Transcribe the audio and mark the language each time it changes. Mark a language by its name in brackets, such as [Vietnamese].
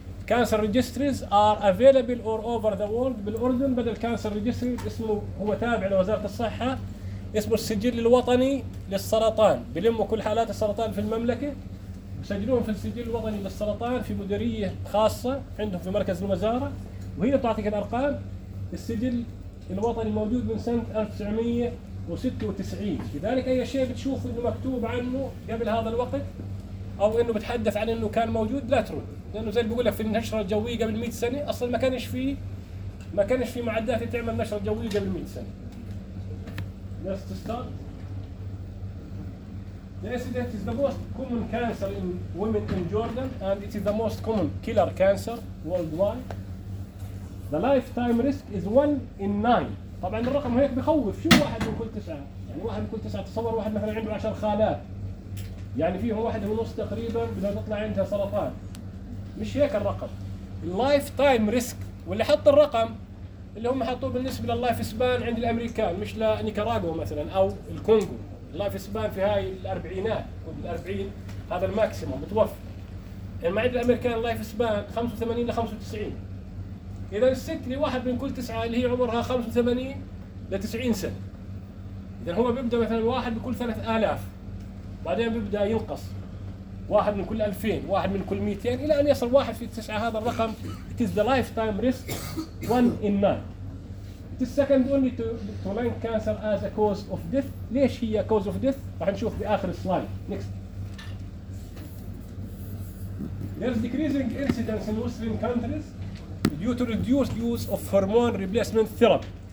[English] Cancer registries are available all over the world. [Arabic] بالأردن بدل Cancer registry اسمه هو تابع لوزارة الصحة اسمه السجل الوطني للسرطان، بيلموا كل حالات السرطان في المملكة بسجلوهم في السجل الوطني للسرطان في مديرية خاصة عندهم في مركز الوزارة، وهي بتعطيك الأرقام. السجل الوطني موجود من سنة 1996، لذلك أي شيء بتشوفه إنه مكتوب عنه قبل هذا الوقت أو إنه بتحدث عن إنه كان موجود لا ترد، لأنه زي اللي بيقول لك في النشرة الجوية قبل 100 سنة أصلاً ما كانش فيه معدات تعمل نشرة جوية قبل 100 سنة. [English] Let's start. The incident is the most common cancer in women in Jordan and it is the most common killer cancer worldwide. The lifetime risk is 1 in 9. [Arabic] طبعاً الرقم هيك بخوف، شو واحد من كل 9؟ يعني واحد من كل 9، تصور واحد مثلاً عنده 10 خالات، يعني فيه واحد من نص تقريباً بدها تطلع عندها سرطان. مش هيك الرقم. اللايف تايم ريسك، واللي حط الرقم اللي هم حطوه بالنسبه لللايف سبان عند الامريكان مش لنيكاراغوا مثلا او الكونغو. اللايف سبان في هاي الاربعينات والاربعين هذا الماكسيموم متوفى، يعني ما عند الامريكان اللايف سبان 85 ل 95. اذا الست اللي واحد من كل 9 اللي هي عمرها 85 ل 90 سنه، اذا هو بيبدا مثلا واحد بكل 3000، بعدين بيبدا ينقص واحد من كل 2000، واحد من كل 200، إلى أن يصل واحد في 9. هذا الرقم [English] it is the lifetime risk 1 in 9. it is second only to lung cancer as a cause of death. [Arabic] ليش هي [English] cause of death؟ [Arabic] راح نشوف بآخر السلايد. [English] next. there is decreasing incidence in Muslim countries due to reduced use of hormone replacement therapy.